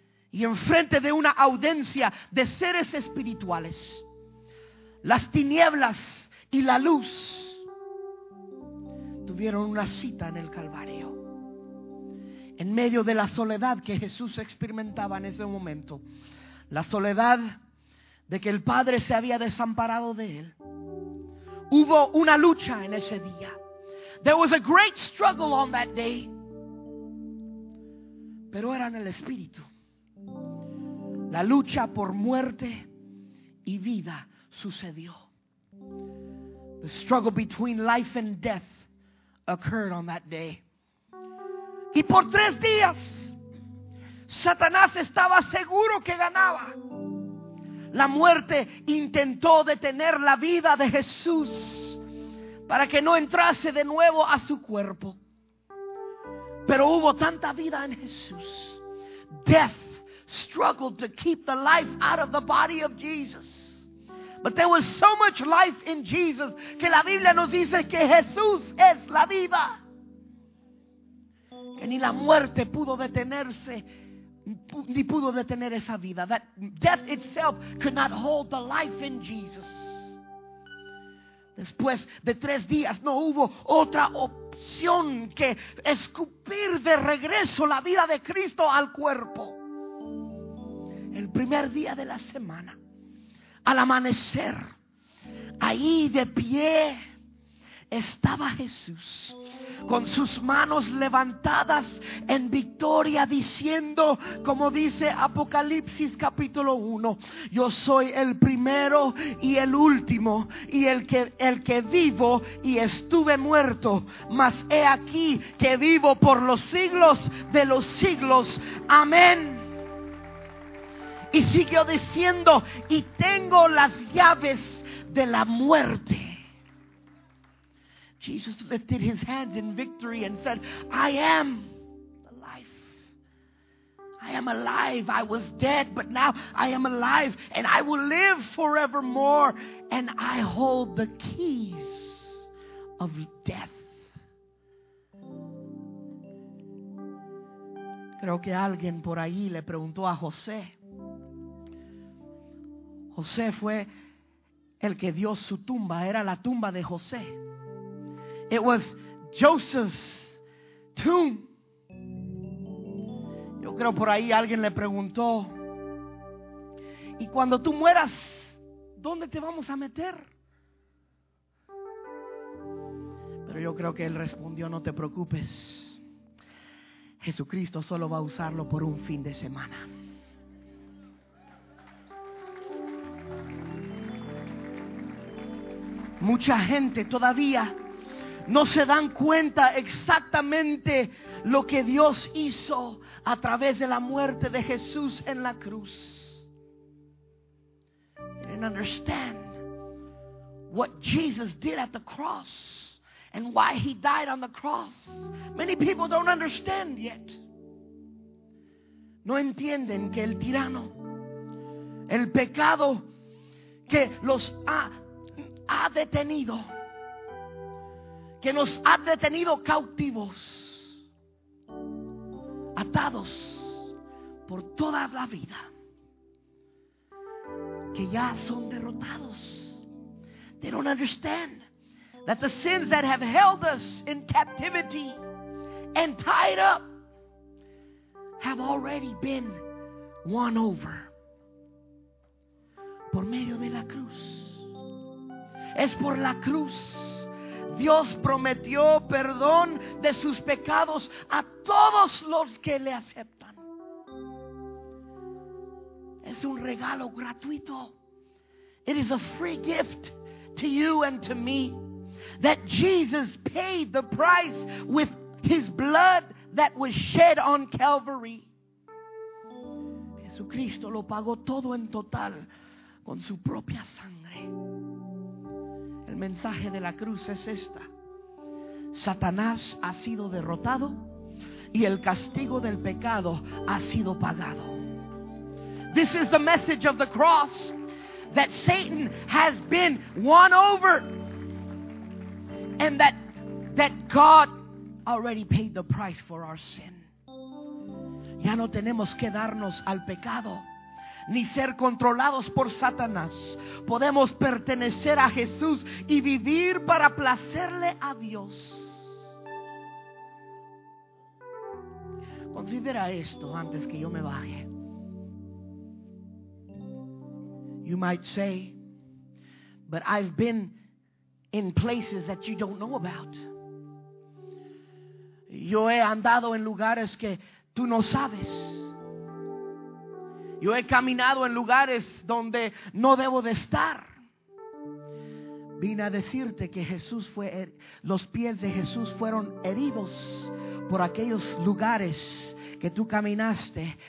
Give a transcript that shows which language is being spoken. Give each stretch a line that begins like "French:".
Spanish: Y enfrente de una audiencia de seres espirituales, las tinieblas y la luz tuvieron una cita en el Calvario. En medio de la soledad que Jesús experimentaba en ese momento, la soledad de que el Padre se había desamparado de él, hubo una lucha en ese día.
English: There was a great struggle on that day.
Spanish: Pero era en el Espíritu. La lucha por muerte y vida sucedió.
English: The struggle between life and death occurred on that day.
Spanish: Y por tres días, Satanás estaba seguro que ganaba. La muerte intentó detener la vida de Jesús para que no entrase de nuevo a su cuerpo. Pero hubo tanta vida en Jesús.
English: Death struggled to keep the life out of the body of Jesus. But there was so much life in Jesus
Spanish: que la Biblia nos dice que Jesús es la vida. Que ni la muerte pudo detenerse, ni pudo detener esa vida.
English: That death itself could not hold the life in Jesus.
Spanish: Después de tres días no hubo otra opción que escupir de regreso la vida de Cristo al cuerpo. El primer día de la semana, al amanecer, ahí de pie estaba Jesús con sus manos levantadas en victoria, diciendo, como dice Apocalipsis capítulo 1, yo soy el primero y el último, y el que vivo y estuve muerto, mas he aquí que vivo por los siglos de los siglos. Amén. Y siguió diciendo, y tengo las llaves de la muerte.
English: Jesus lifted his hands in victory and said, I am the life. I am alive. I was dead, but now I am alive, and I will live forevermore, and I hold the keys of death.
Spanish: Creo que alguien por ahí le preguntó a José. José fue el que dio su tumba. Era la tumba de José.
English: It was Joseph's tomb.
Spanish: Yo creo por ahí alguien le preguntó. Y cuando tú mueras, ¿dónde te vamos a meter? Pero yo creo que él respondió, no te preocupes. Jesucristo solo va a usarlo por un fin de semana. Mucha gente todavía no se dan cuenta exactamente lo que Dios hizo a través de la muerte de Jesús en la cruz.
English: They don't understand what Jesus did at the cross. And why he died on the cross. Many people don't understand yet.
Spanish: No entienden que el tirano, el pecado que los ha detenido, que nos ha detenido cautivos, atados por toda la vida, que ya son derrotados.
English: They don't understand that the sins that have held us in captivity and tied up have already been won over
Spanish: por medio de la cruz. Es por la cruz. Dios prometió perdón de sus pecados a todos los que le aceptan. Es un regalo gratuito.
English: It is a free gift to you and to me. That Jesus paid the price with his blood that was shed on Calvary.
Spanish: Jesucristo lo pagó todo en total con su propia sangre. El mensaje de la cruz es esta. Satanás ha sido derrotado y el castigo del pecado ha sido pagado.
English: This is the message of the cross, that Satan has been won over. And that God already paid the price for our sin.
Spanish: Ya no tenemos que darnos al pecado, ni ser controlados por Satanás. Podemos pertenecer a Jesús y vivir para placerle a Dios. Considera esto antes que yo me baje.
English: You might say, but I've been in places that you don't know about.
Spanish: Yo he andado en lugares que tú no sabes. Yo he caminado en lugares donde no debo de estar. Vine a decirte que los pies de Jesús fueron heridos por aquellos lugares que tú caminaste.